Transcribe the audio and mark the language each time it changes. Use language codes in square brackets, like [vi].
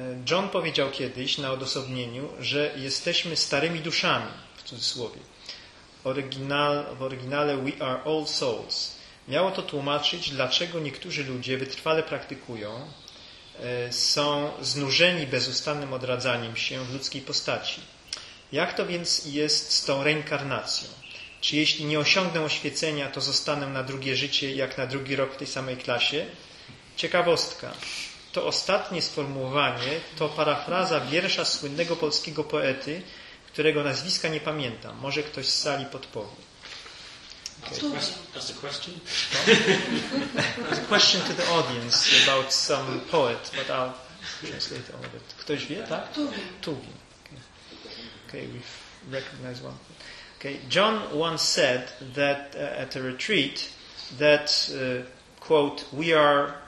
[pl] John powiedział kiedyś na odosobnieniu, że jesteśmy starymi duszami, w cudzysłowie. W oryginale [en] we are old souls. [pl] Miało to tłumaczyć, dlaczego niektórzy ludzie wytrwale praktykują, są znużeni bezustannym odradzaniem się w ludzkiej postaci. Jak to więc jest z tą reinkarnacją? Czy jeśli nie osiągnę oświecenia, to zostanę na drugie życie, jak na drugi rok w tej samej klasie? Ciekawostka. To ostatnie sformułowanie to parafraza wiersza słynnego polskiego poety, którego nazwiska nie pamiętam. Może ktoś z sali podpowie. [en] That's a question to the audience about some poet, but I'll translate all of it. [pl] Ktoś wie, tak? Tuwim. [en] Okay, we've recognized one. Okay, John once said that at a retreat that, quote, we are